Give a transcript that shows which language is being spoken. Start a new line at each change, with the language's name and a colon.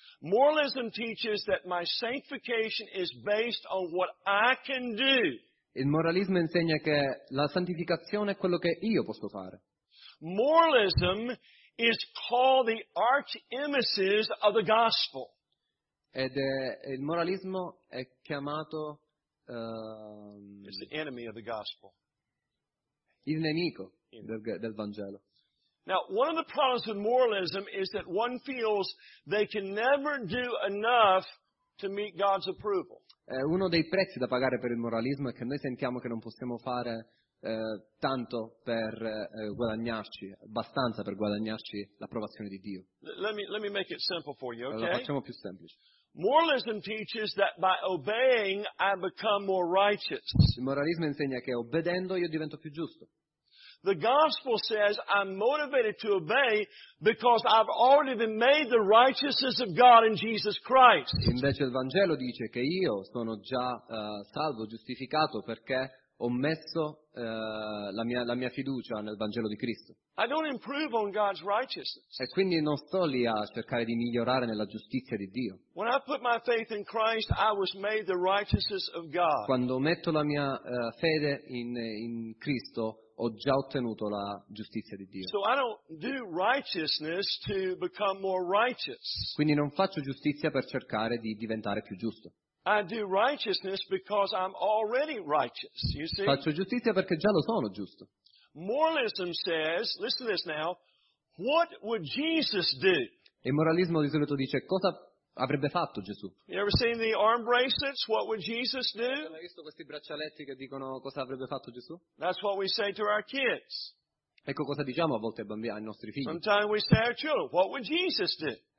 English: Moralism teaches that my sanctification is based on what I can do.
Italian: Il moralismo insegna che la santificazione è quello che io posso fare.
English: Moralism is called the arch-emesis of the gospel.
Italian: Ed è, il moralismo è chiamato
English: it's the enemy of the gospel.
Italian: Il nemico del Vangelo.
English: Now, one of the problems with moralism is that one feels they can never do enough to meet God's approval.
Italian: Uno dei prezzi da pagare per il moralismo è che noi sentiamo che non possiamo fare tanto per guadagnarci, abbastanza per guadagnarci l'approvazione di Dio.
English: Let me make it simple for you, okay?
Italian: Lo facciamo più semplice.
English: Moralism teaches that by obeying I become more righteous.
Italian: Il moralismo insegna che obbedendo io divento più giusto.
English: The gospel says I'm motivated to obey because I've already been made the righteousness of God in Jesus Christ.
Italian: Invece il Vangelo dice che io sono già salvo, giustificato perché ho messo la mia fiducia nel Vangelo di Cristo.
English: I don't improve on God's righteousness.
Italian: E quindi non sto lì a cercare di migliorare nella giustizia di Dio.
English: When I put my faith in Christ, I was made the righteousness of God.
Italian: Quando metto la mia fede in Cristo, ho già ottenuto la giustizia di Dio.
English: So I don't do righteousness to become more righteous.
Italian: Quindi non faccio giustizia per cercare di diventare più giusto.
English: I do righteousness because I'm already righteous, you see?
Italian: Faccio giustizia perché già lo sono giusto.
English: Moralism says, listen to this now, what would Jesus do?
Italian: Il moralismo di solito dice cosa avrebbe fatto Gesù.
English: You ever seen the arm bracelets? What would Jesus do?
Italian: Hai visto questi braccialetti che dicono cosa avrebbe fatto Gesù?
English: That's what we say to our kids.
Italian: Ecco cosa diciamo a volte ai bambini, ai nostri figli.
English: Sometimes we say to our children, what would Jesus do?